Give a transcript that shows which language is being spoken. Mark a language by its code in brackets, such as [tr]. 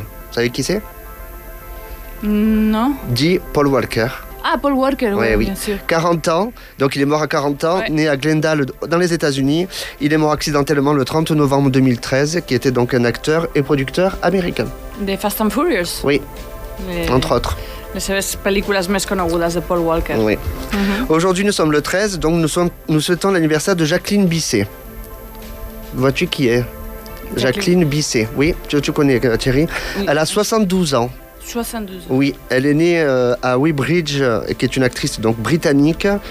[fr] Vous savez qui c'est ? Non. Dit Paul Walker. Ah, Paul Walker, oui, bien sûr. 40 ans, donc il est mort à 40 ans, ouais. Né à Glendale, dans les États-Unis. Il est mort accidentellement le 30 novembre 2013, qui était donc un acteur et producteur américain. Des Fast and Furious ? Oui, entre autres. [ca] Les seves pel·lícules més conegudes de Paul Walker. [fr] Oui. Mm-hmm. Aujourd'hui, nous sommes le 13, donc nous souhaitons l'anniversaire de Jacqueline Bisset. Vois-tu qui est ? Jacqueline Bisset, oui, tu connais Thierry. Oui. Elle a 72 ans. 72 ans. Oui, elle est née à Weybridge, qui est une actrice donc, britannique.